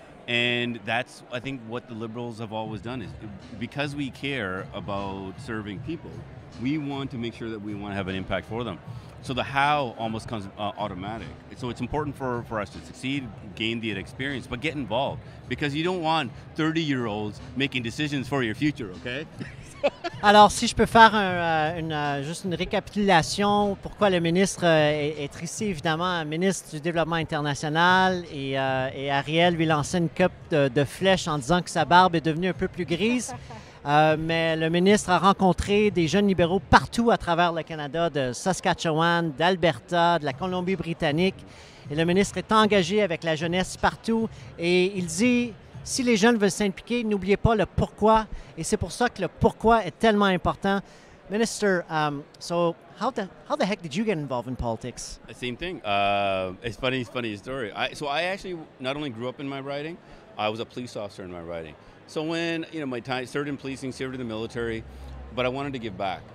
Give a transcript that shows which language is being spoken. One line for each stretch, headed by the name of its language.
English: And that's, I think, what the Liberals have always done is because we care about serving people, we want to make sure that we want to have an impact for them. So the how almost comes automatic. So it's important for us to succeed, gain the experience, but get involved. Because you don't want 30-year-olds making decisions for your future, okay?
French: Alors, si je peux faire une récapitulation, pourquoi le ministre est ici, évidemment, ministre du Développement international, et Ariel lui lançait une coupe de flèches en disant que sa barbe est devenue un peu plus grise. Mais le ministre a rencontré des jeunes libéraux partout à travers le Canada, de Saskatchewan, d'Alberta, de la Colombie-Britannique. Et le ministre est engagé avec la jeunesse partout. Et il dit, si les jeunes veulent s'impliquer, n'oubliez pas le pourquoi. Et c'est pour ça que le pourquoi est tellement important.
English: Minister, how the heck did you get involved in politics? Same thing. It's funny story. I actually not only grew up in my riding, I was a police officer in my riding. So when, you know, my time, served in policing, served in the military, but I wanted to give back.